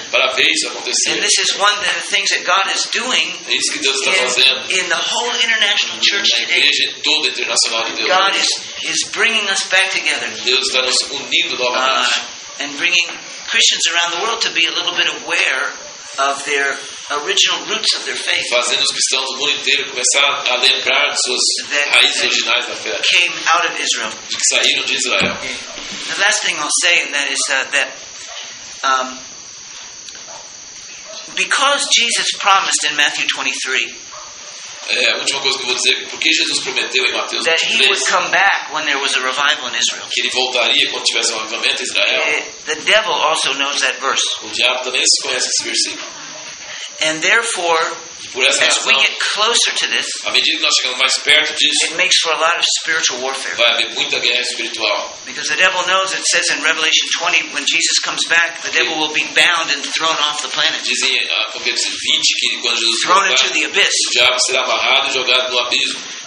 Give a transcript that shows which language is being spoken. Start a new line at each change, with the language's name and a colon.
English: And this is one of the things that God is doing in the whole international church today. God is bringing us back together. And bringing Christians around the world to be a little bit aware of their original roots of their faith.
Portuguese: Fazendo os cristãos do mundo inteiro começar a lembrar de suas raízes originais da fé.
English: Came out of Israel.
Portuguese: De que saíram de Israel.
English: The last thing I'll say in that is that because Jesus promised in Matthew 23
Portuguese: a última coisa que eu vou dizer, porque Jesus prometeu em Mateus
English: 23 that he would come back when there was a revival in Israel.
Portuguese: Que ele voltaria quando tivesse um avivamento em Israel.
English: The devil also knows that verse.
Portuguese: O diabo também conhece esse versículo.
English: And therefore,
Portuguese: razão,
English: as we get closer to this,
Portuguese: à medida que nós chegamos mais perto disso,
English: it makes for a lot of spiritual warfare.
Portuguese: Vai haver muita guerra espiritual.
English: Because the devil knows, it says in Revelation 20, when Jesus comes back, the devil will be bound and thrown off the planet.
Portuguese: Dizem em Apocalipse 20 que quando Jesus
English: thrown
Portuguese: voltar,
English: into the abyss.
Portuguese: O diabo será amarrado e jogado no abismo.